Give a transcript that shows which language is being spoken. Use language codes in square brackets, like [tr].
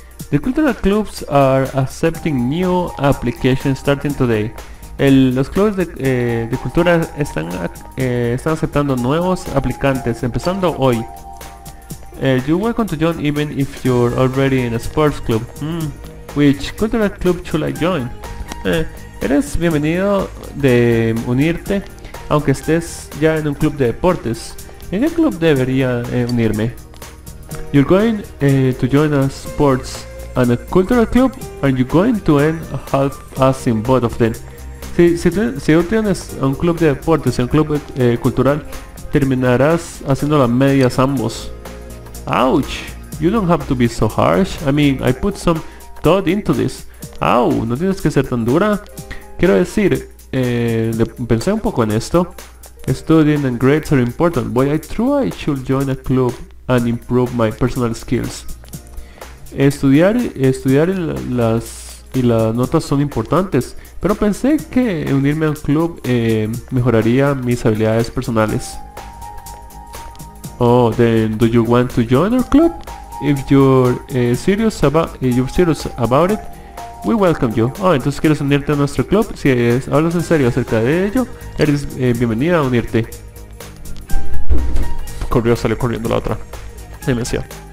[en] The cultural clubs are accepting new applications starting today. [es] Los clubes de cultura están aceptando nuevos aplicantes empezando hoy. [en] You're welcome to join even if you're already in a sports club. Which cultural club should I join? [es] Eres bienvenido de unirte, aunque estés ya en un club de deportes. ¿En qué club debería unirme? [en] You're going to join a sports club. And a cultural club, are you going to end half as in both of them? [es] Si tú tienes un club de deportes y un club cultural, terminarás haciendo las medias ambos. [en] Ouch! You don't have to be so harsh. I mean, I put some thought into this. [es] Ow, no tienes que ser tan dura. Quiero decir, pensé un poco en esto. [en] Studying and grades are important, but I truly should join a club and improve my personal skills. [es] Estudiar las notas son importantes, pero pensé que unirme a un club mejoraría mis habilidades personales. [en] Oh, then do you want to join our club? If you're serious about it, we welcome you. [es] Oh, entonces quieres unirte a nuestro club. Si hablas en serio acerca de ello, eres bienvenida a unirte. Salió corriendo la otra. Demencia.